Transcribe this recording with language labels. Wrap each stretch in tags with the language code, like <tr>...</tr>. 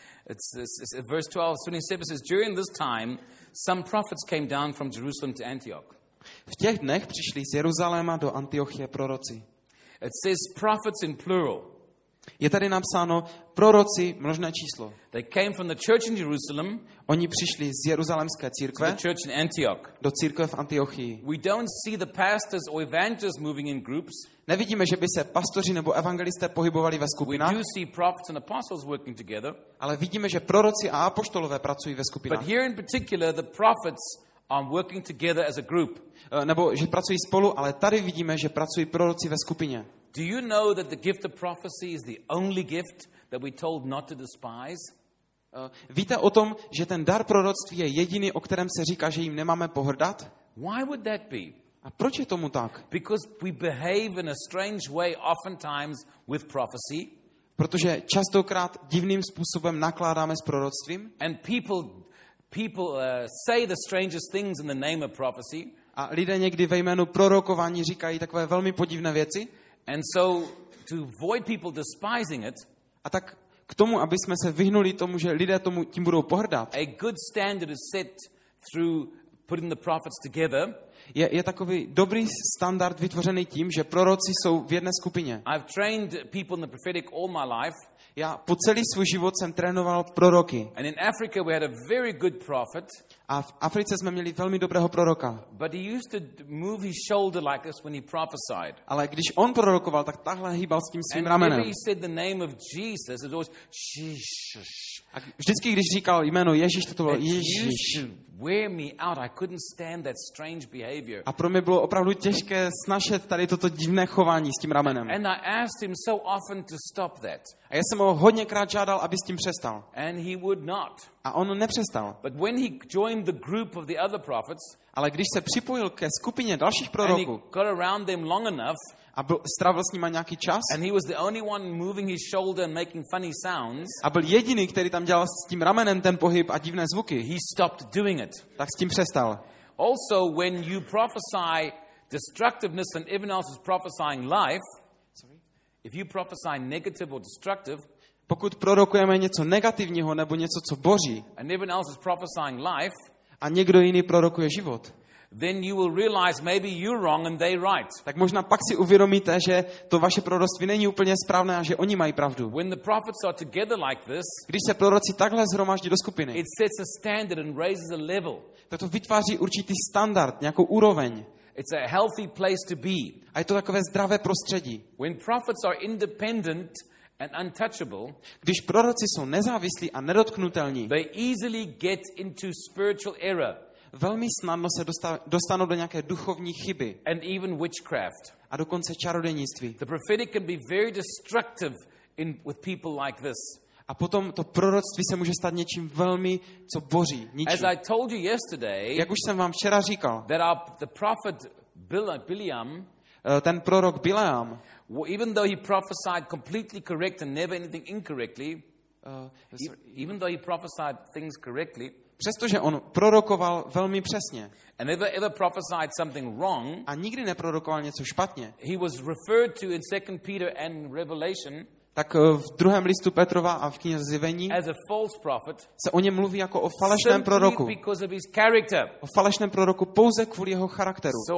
<en>It's verse 12, 27 says during this time some prophets came down from Jerusalem to Antioch.</en> <cs>V těch dnech přišli z Jeruzaléma do Antiochie proroci.</cs> <en>It says prophets in plural.</en> <cs>Je tady napsáno proroci množné číslo.</cs> <en>They came from the church in Jerusalem.</en> <cs>Oni přišli z jeruzalemské církve.</cs> <en>To the church in Antioch.</en> <cs>Do církve v Antiochii.</cs> <en>We don't see the pastors or evangelists moving in groups.</en> <cs>Nevidíme, že by se pastoři nebo evangelisté pohybovali ve skupinách.</cs> <en>We do see prophets and apostles working together.</en> <cs>Ale vidíme, že proroci a apoštolové pracují ve skupinách.</cs> <en>But here in particular the prophets are working together as a group.</en> <cs>Nebo že pracují spolu, ale tady vidíme, že pracují proroci ve skupině.</cs> <en>Do you know that the gift of prophecy is the only gift that we told not to despise?</en> <cs>Víte o tom, že ten dar proroctví je jediný, o kterém se říká, že jim nemáme pohrdat?</cs> <en>Why would that be?</en> <cs>A proč je tomu tak?</cs> <en>Because we behave in a strange way oftentimes with prophecy.</en> <cs>Protože častokrát divným způsobem nakládáme s proroctvím.</cs> <en>And people say the strangest things in the name of prophecy.</en> <cs>A lidé někdy ve jménu prorokování říkají takové velmi podivné věci.</cs> <en>And so to avoid people despising it.</en> <cs>A tak k tomu, aby jsme se vyhnuli tomu, že lidé tomu tím budou pohrdat.</cs> <en>A good standard is set through putting the prophets together.</en> <cs>Je takový dobrý standard vytvořený tím, že proroci jsou v jedné skupině.</cs> <en>I've trained people in the prophetic all my life.</en> <cs>Já po celý svůj život jsem trénoval proroky.</cs> <en>And in Africa we had a very good prophet.</en> <cs>A v Africe jsme měli velmi dobrého proroka.</cs> <en>But he used to move his shoulder like this when he prophesied.</en> <cs>Ale když on prorokoval, tak takhle hýbal s tím svým ramenem.</cs> <en>And whenever he said the name of Jesus, it was Jesus.</en> <cs>A vždycky, když říkal jméno Ježíš, to bylo Ježíš.</cs> <en>Wear me out. I couldn't stand that strange behavior.</en> <cs>A pro mě bylo opravdu těžké snášet tady toto divné chování s tím ramenem.</cs> <en>And I asked him so often to stop that.</en> <cs>A já jsem ho hodněkrát žádal, aby s tím přestal.</cs> <en>And he would not.</en> <cs>A on nepřestal.</cs> <en>But when he joined the group of the other prophets,</en> <cs>ale když se připojil ke skupině dalších proroků,</cs> <en>and he got around them long enough,</en> <cs>a byl, strávil s nima nějaký čas,</cs> <en>and he was the only one moving his shoulder and making funny sounds,</en> <cs>a byl jediný, který tam dělal s tím ramenem ten pohyb a divné zvuky,</cs> <en>he stopped doing it.</en> <cs>Tak s tím přestal.</cs> <en>Also, when you prophesy destructiveness and everyone else is prophesying life, if you prophesy negative or destructive,</en> <cs>pokud prorokujeme něco negativního nebo něco, co boří,</cs> <en>and everyone else is prophesying life,</en> <cs>a někdo jiný prorokuje život,</cs> <en>then you will realize maybe you're wrong and they right.</en> <cs>Tak možná pak si uvědomíte, že to vaše proroctví není úplně správné a že oni mají pravdu.</cs> <en>When the prophets are together like this,</en> <cs>když se proroci takhle zhromaždí do skupiny,</cs> <en>it sets a standard and raises a level.</en> <cs>Tak to vytváří určitý standard, nějakou úroveň.</cs> <en>It's a healthy place to be.</en> <cs>A je to takové zdravé prostředí.</cs> <en>When prophets are independent and untouchable,</en> <cs>když proroci jsou nezávislí a nedotknutelní,</cs> <en>they easily get into spiritual error.</en> <cs>velmi snadno se dostanou do nějaké duchovní chyby.</cs> <en>And even witchcraft.</en> <cs>A dokonce čarodějnictví.</cs> <en>The prophetic can be very destructive in with people like this.</en> <cs>A potom to proroctví se může stát něčím velmi, co boří, ničím.</cs> <en>As I told you yesterday,</en> <cs>jak už jsem vám včera říkal,</cs> <en>that the prophet Bileam,</en> <cs>ten prorok Bileam,</cs> <en>even though he prophesied completely correct and never anything incorrectly, even though he prophesied things correctly,</en> <cs>přestože on prorokoval velmi přesně,</cs> <en>and never ever prophesied something wrong,</en> <cs>a nikdy neprorokoval něco špatně,</cs> <en>he was referred to in 2 Peter and Revelation,</en> <cs>tak v druhém listu Petrova a v knize Zjevení se o něm mluví jako o falešném proroku. O falešném proroku pouze kvůli jeho charakteru.</cs>